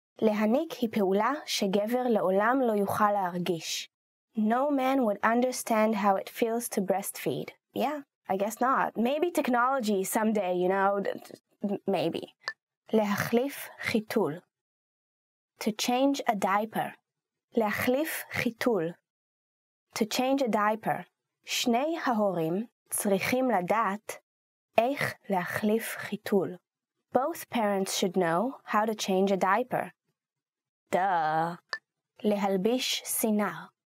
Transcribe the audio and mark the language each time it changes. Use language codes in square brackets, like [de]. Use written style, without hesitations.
[he] להניק היא פעולה שגבר לעולם לא יוכל להרגיש. [en] No man would understand how it feels to breastfeed. Yeah, I guess not. Maybe technology someday, you know, maybe. [he] להחליף חיתול. [en] To change a diaper. [he] להחליף חיתול. [en] To change a diaper. [he] שני ההורים צריכים לדעת איך להחליף חיתול. [en] Both parents should know how to change a diaper. [he] Duh. להלביש שנאה.